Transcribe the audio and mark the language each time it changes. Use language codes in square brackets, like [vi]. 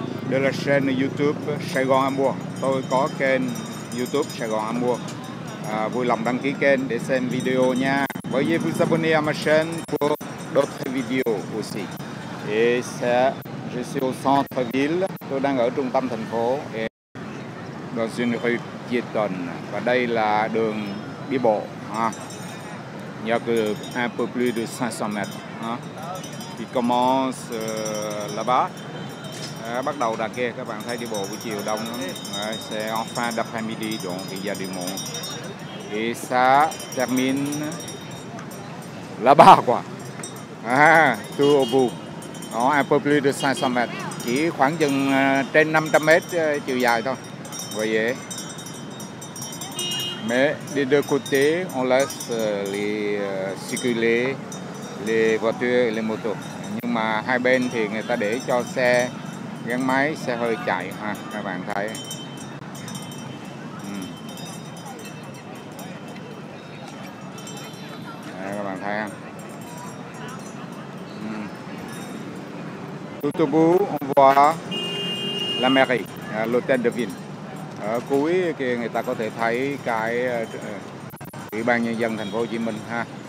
[fr] De la chaîne YouTube Sài Gòn Amour. [vi] Tôi có kênh YouTube Sài Gòn Amour. Vui lòng đăng ký kênh để xem video nha. [fr] Veuillez vous abonner à ma chaîne pour d'autres vidéos aussi. Et ça, je suis au centre-ville. [vi] Tôi đang ở trung tâm thành phố. [fr] Dans une rue piétonne. [vi] Và đây là đường đi bộ. [fr] Il n'y a que un peu plus de 500 mètres. Qui commence là-bas. [vi] Bắt đầu đặt kia, các bạn thấy đi bộ buổi chiều đông lắm. [fr] C'est en fin d'après-midi, donc il y a du monde. Et ça termine là-bas, quoi. Tout au bout. Đó, un peu plus de 500 mètres. [vi] Chỉ khoảng chừng trên 500 mètres chiều dài thôi. [fr] Vous voyez. Mais des deux côtés, on laisse les circuler, les voitures et les motos. [vi] Nhưng mà hai bên thì người ta để cho xe gắn máy, xe hơi chạy ha, các bạn thấy. Đấy, các bạn thấy không? [fr] Tout au bout, on voit la mairie, l'hôtel de ville. [vi] Ở cuối kia người ta có thể thấy cái Ủy ban Nhân dân Thành phố Hồ Chí Minh ha.